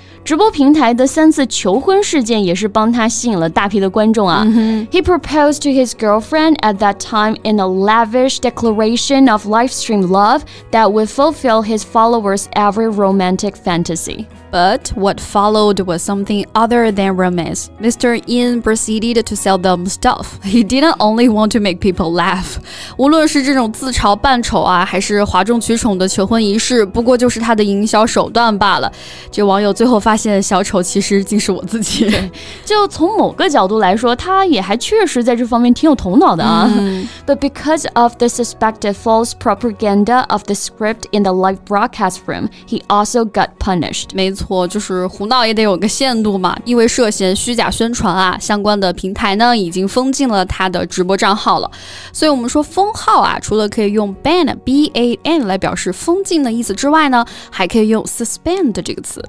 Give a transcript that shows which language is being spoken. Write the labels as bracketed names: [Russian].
[Chinese] 直播平台的三次求婚事件也是帮他吸引了大批的观众啊、 [English] He proposed to his girlfriend at that time In a lavish declaration of livestream love That would fulfill his followers every romantic fantasy But what followed was something other than romance. Mr. Yin proceeded to sell them stuff. He didn't only want to make people laugh. [Chinese] 无论是这种自嘲扮丑啊，还是哗众取宠的求婚仪式，不过就是他的营销手段罢了。这网友最后发现，小丑其实竟是我自己。就从某个角度来说，他也还确实在这方面挺有头脑的啊。 [English] But because of the suspected false propaganda of the script in the live broadcast room, he also got punished. [Chinese] 没错，就是胡闹也得有个限度嘛。因为涉嫌虚假宣传啊，相关的平台呢已经封禁了他的直播账号了。所以我们说封号啊，除了可以用 ban b a n 来表示封禁的意思之外呢，还可以用 suspend 这个词。